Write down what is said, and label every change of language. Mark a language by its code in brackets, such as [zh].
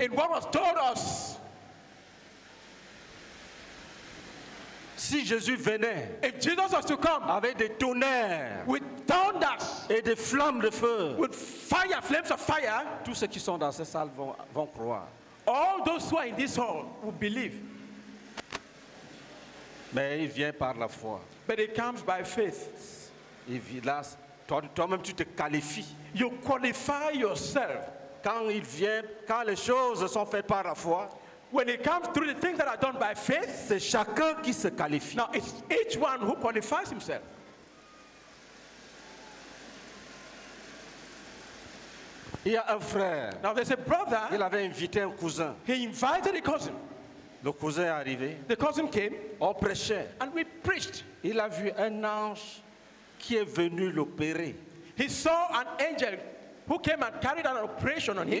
[en] In what was told us. [fr] Si Jésus venait, [en] if Jesus was to come, [fr] avec des tonnerres, [en] with thunders, [fr] et des flammes de feu, [en] with fire, flames of fire, [fr] tous ceux qui sont dans cette salle vont croire. [en] All those who are in this hall will believe. [fr] Mais il vient par la foi. [en] But it comes by faith. [fr] Et là, toi-même tu te qualifies. [en] You qualify yourself. [fr] Quand il vient, quand les choses sont faites par la foi. [en] When it comes through the things that are done by faith, [fr] c'est chacun qui se qualifie. [en] Now it's each one who qualifies himself. [fr] Il y a un frère. [en] Now there's a brother. [fr] Il avait invité un cousin. [en] He invited a cousin. [fr] Le cousin est arrivé. [en] The cousin came. [fr] On prêchait. [en] And we preached. [fr] Il a vu un ange qui est venu l'opérer. [en] He saw an angel who came and carried out an operation on him.